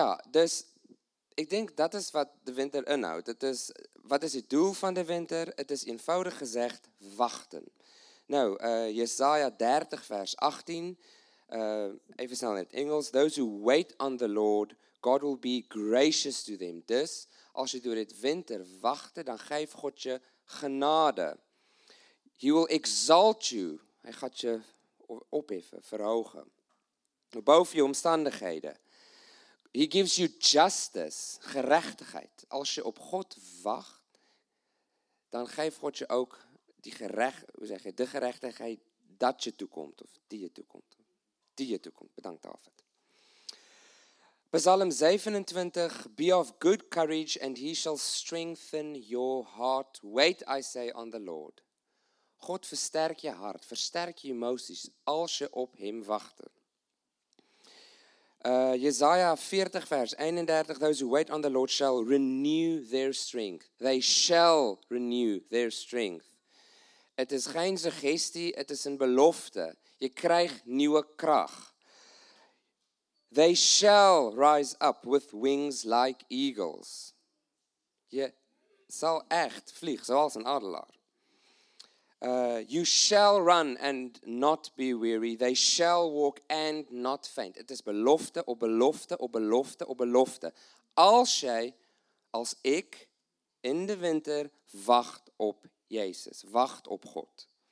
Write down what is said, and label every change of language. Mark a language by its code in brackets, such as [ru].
[nl] Dus ik denk dat is wat de winter inhoudt. Het is, wat is het doel van de winter? Het is eenvoudig gezegd wachten. Nou, Jesaja 30 vers 18, even snel in het Engels. [en] Those who wait on the Lord, God will be gracious to them. [nl] Dus als je door het winter wacht, dan geeft God je genade. [en] He will exalt you. [nl] Hij gaat je opheffen, verhogen. Boven je omstandigheden. [en] He gives you justice, [nl] gerechtigheid. Als je op God wacht, dan geeft God je ook de gerechtigheid dat je toekomt. Of die je toekomt. Die je toekomt. Bedankt, David. [en] Psalm 27, be of good courage and he shall strengthen your heart. Wait, I say, on the Lord. [nl] God versterk je hart, versterk je emoties als je op hem wacht. [en] Jesaja 40 vers 31, those who wait on the Lord shall renew their strength. They shall renew their strength. [nl] Het is geen suggestie, het is een belofte. Je krijgt nieuwe kracht. [en] They shall rise up with wings like eagles. [nl] Je zal echt vliegen, zoals een adelaar. [en] You shall run and not be weary. They shall walk and not faint. [nl] Het is belofte op belofte op belofte op belofte. Als jij, als ik, in de winter wacht op Jezus, wacht op God.